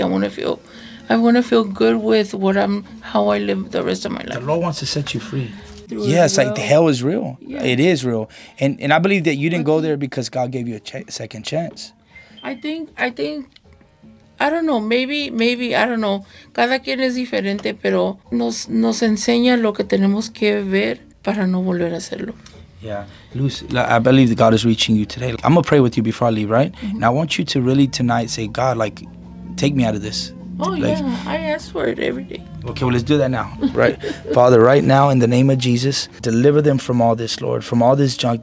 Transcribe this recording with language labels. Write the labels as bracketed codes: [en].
[en] I want to feel good with how I live the rest of my life. The Lord wants to set you free. Yes, like, the hell is real. Yeah. It is real. And I believe that you didn't go there because God gave you a second chance. I think, I don't know, maybe, I don't know. [es] Cada quien es diferente, pero nos enseña lo que tenemos que ver para no volver a hacerlo. [en] Yeah, Luce, I believe that God is reaching you today. I'm going to pray with you before I leave, right? Mm-hmm. And I want you to really tonight say, God, like, take me out of this. Oh, like, yeah, I ask for it every day. Okay, well, let's do that now, right? Father, right now, in the name of Jesus, deliver them from all this, Lord, from all this junk.